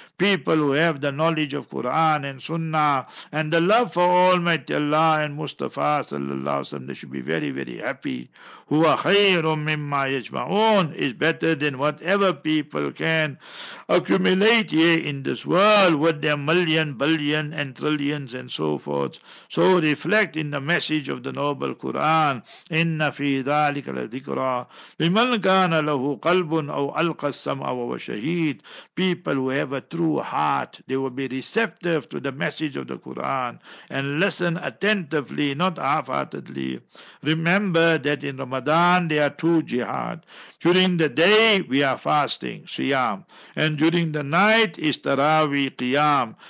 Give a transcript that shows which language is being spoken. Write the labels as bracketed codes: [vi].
[en] People who have the knowledge of Quran and Sunnah and the love for Almighty Allah and Mustafa sallallahu alaihi wasallam, they should be very, very happy. [ar] هُوَ خَيْرٌ مِمَّا يَجْمَعُونَ, [en] is better than whatever people can accumulate here in this world with their million, billion and trillions and so forth. So reflect in the message of the noble Quran. [ar] إِنَّ فِي ذَلِكَ لمن كان له قلب أو ألقى السمع وهو شهيد. [en] People who have a true heart, they will be receptive to the message of the Quran and listen attentively, not half-heartedly. Remember that in Ramadan there are two jihad. During the day we are fasting, siyam, and during the night is tarawih, qiyam.